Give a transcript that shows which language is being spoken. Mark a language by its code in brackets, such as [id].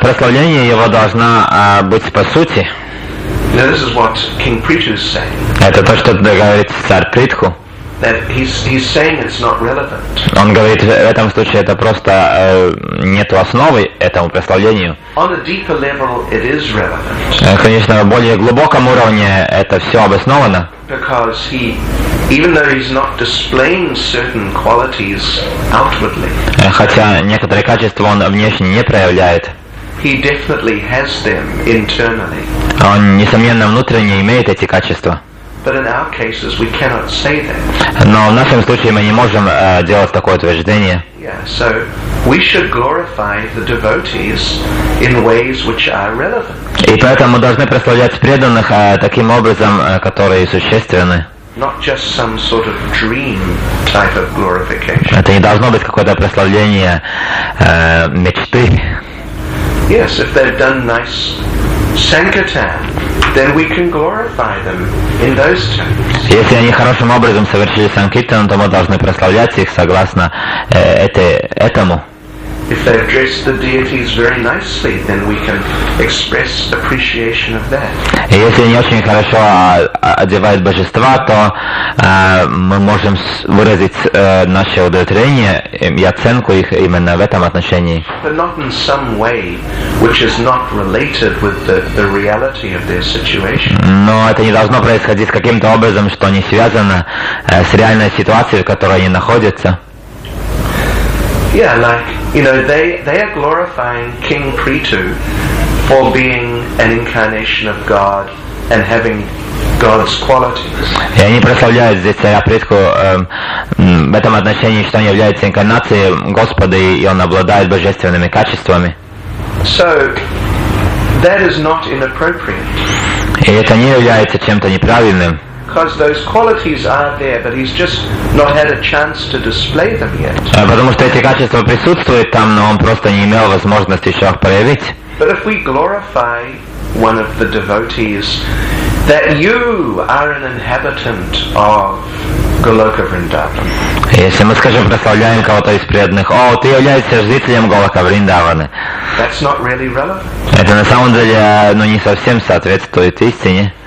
[ru] Прославление его должно быть по сути. [en] Now this is what King Prithu is saying. [ru] Это то, что говорит царь Притху. [en] That he's saying it's not relevant. [ru] Он говорит, в этом случае это просто нету основы этому прославлению. [en] On a deeper level, it is relevant. [ru] Конечно, на более глубоком уровне это все обосновано. [en] Because he, even though he's not displaying certain qualities outwardly. [ru] Хотя некоторые качества он внешне не проявляет. [en] He definitely has them internally. [ru] Он, несомненно, внутренне имеет эти качества. [en] But in our cases, we cannot say that. [ru] Но в нашем случае мы не можем делать такое утверждение. [en] Yeah, so we should glorify the devotees in ways which are relevant. [ru] И поэтому мы должны прославлять преданных таким образом, которые существенны. [en] Not just some sort of dream type of glorification. [ru] Это не должно быть какое-то прославление мечты. [en] Yes, if they've done nice sankirtan, then we can glorify them in those terms. [ru] Если они хорошим образом совершили санкиртан, то мы должны прославлять их согласно этому. [en] If they've dressed the deities very nicely, then we can express appreciation of that. [ru] Если они очень хорошо одевают божества, то мы можем выразить наше удовлетворение и оценку их именно в этом отношении. [en] But not in some way which is not related with the reality of their situation. [ru] Но это не должно происходить каким-то образом, что не связано с реальной ситуацией, в которой они находятся. [en] Yeah, like, you know, they are glorifying King Prithu for being an incarnation of God and having God's qualities. [ru] И они прославляют здесь царя Притху в этом отношении, что он является инкарнацией Господа, и он обладает божественными качествами. [en] So, that is not inappropriate. [ru] И это не является чем-то неправильным. [en] Because those qualities are there, but he's just not had a chance to display them yet. [ru] Потому что эти качества присутствуют там, но он просто не имел возможности еще их проявить. [en] But if we glorify one of the devotees, that you are an inhabitant of Goloka Vrindavan. [ru] Если мы, скажем, прославляем кого-то из преданных, о, ты являешься жителем Голока Вриндаваны. [en] That's not really relevant. [ru] Это на самом деле, ну, не совсем соответствует истине.